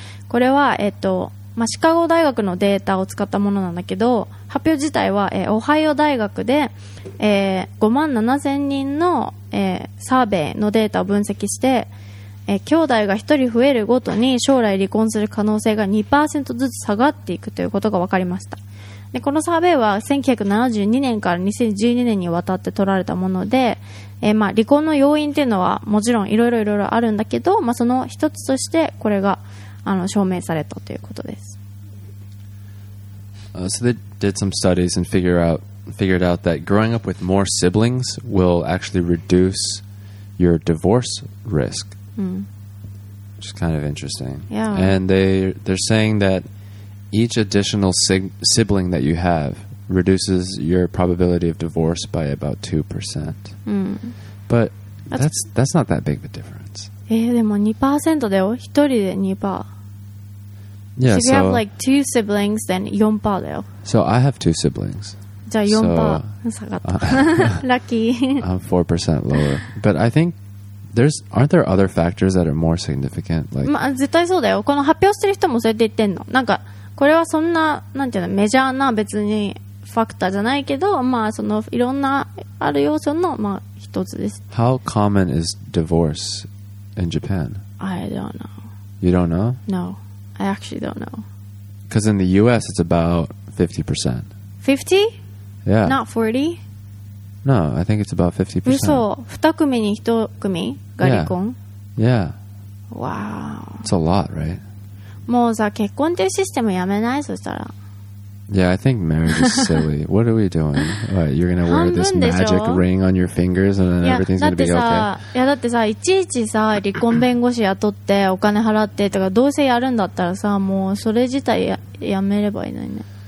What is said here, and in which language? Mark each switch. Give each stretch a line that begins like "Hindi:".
Japanese: これは、シカゴ大学のデータを使ったものなんだけど、発表自体は、オハイオ大学で、5万7000人の、サーベイのデータを分析して、兄弟が1人増えるごとに将来離婚する可能性が 2% ずつ下がっていくということが分かりました。でこのサーベイは1972年から2012年にわたって取られたもので、離婚の要因というのはもちろんいろいろあるんだけど、その一つとしてこれが証明されたということです。
English: So they did some studies and figured out that growing up with more siblings will actually reduce your divorce risk. Which is kind of interesting. Yeah. And they're saying thateach additional sibling that you have reduces your probability of divorce by about 2%、but that's not that big of a difference.
Japanese: でも 2% だよ。1人で
English: 2%。 Yeah, so if you have like two siblings, then 4%
Japanese: だよ。
English: So I have two siblings.
Japanese: じゃあ 4% 下がった。
English: Lucky. I'm 4% lower. But I thinkAren't there other factors that are more significant? Like,
Japanese: 絶対そうだよ。この発表してる人もそうやって言ってんの。なんかこれはそんな、なんていうの、メジャーな別にファクターじゃないけど、そのいろんなある要素の、一つです。
English: How common is divorce in Japan? I don't know. You don't know? No, I actually don't know. Because in the US it's about 50%. 50? Yeah. Not 40? No, I think it's about 50%.
Japanese: 嘘、2組に1組が離婚。
English: Yeah. Yeah. Wow. It's a lot, right?
Japanese: もうさ、結婚っていうシステムやめない？そしたら。
English: Yeah, I think marriage is silly. What are we doing? What, you're gonna wear this magic ring on your fingers and then everything's gonna be okay?
Japanese: いや、だってさ、いちいちさ、離婚弁護士雇ってお金払ってとか、どうせやるんだったらさ、もうそれ自体 やめればいいのにね。